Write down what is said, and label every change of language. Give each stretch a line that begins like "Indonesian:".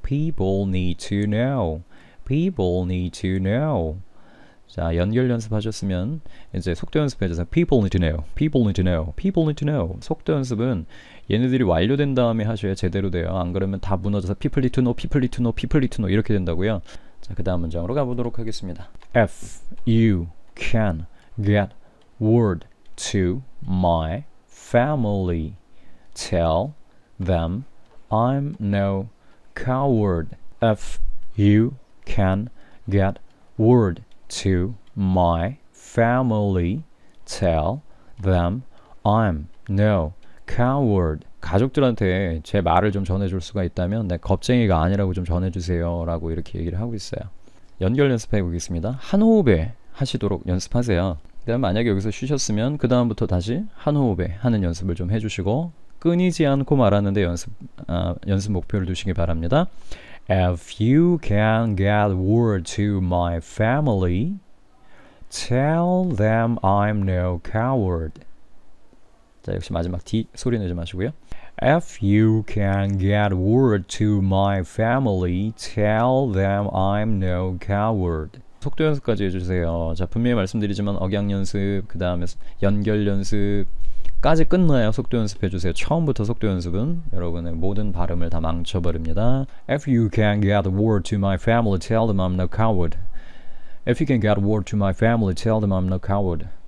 English: People need to know. People need to know.
Korean: 자, 연결 연습하셨으면 이제 속도 연습해주세요.
English: People need to know. People need to know. People need to know.
Korean: 속도 연습은 얘네들이 완료된 다음에 하셔야 제대로 돼요. 안 그러면 다 무너져서
English: People need to know. People need to know. People need to know.
Korean: 이렇게 된다고요. 자, 그 다음 문장으로 가보도록 하겠습니다.
English: If you can get word to my family, tell them I'm no coward. If you can get word to my family, tell them I'm no coward.
Korean: 가족들한테 제 말을 좀 전해줄 수가 있다면 내 겁쟁이가 아니라고 좀 전해주세요 라고 이렇게 얘기를 하고 있어요. 연결 연습해 보겠습니다. 한 호흡에 하시도록 연습하세요. 그다음 만약에 여기서 쉬셨으면 그 다음부터 다시 한 호흡에 하는 연습을 좀 해주시고 끊이지 않고 말하는데 연습 목표를 두시기 바랍니다.
English: If you can get word to my family, tell them I'm no coward.
Korean: 자, 역시 마지막 D 소리 내지 마시고요.
English: If you can get word to my family, tell them I'm no coward.
Korean: 속도 연습까지 해주세요. 자, 분명히 말씀드리지만 억양 연습, 그 다음에 연결 연습 까지 끝나요. 속도 연습해주세요. 처음부터 속도 연습은 여러분의 모든 발음을 다 망쳐버립니다.
English: If you can get word to my family, tell them I'm no coward. If you can get word to my family, tell them I'm no coward.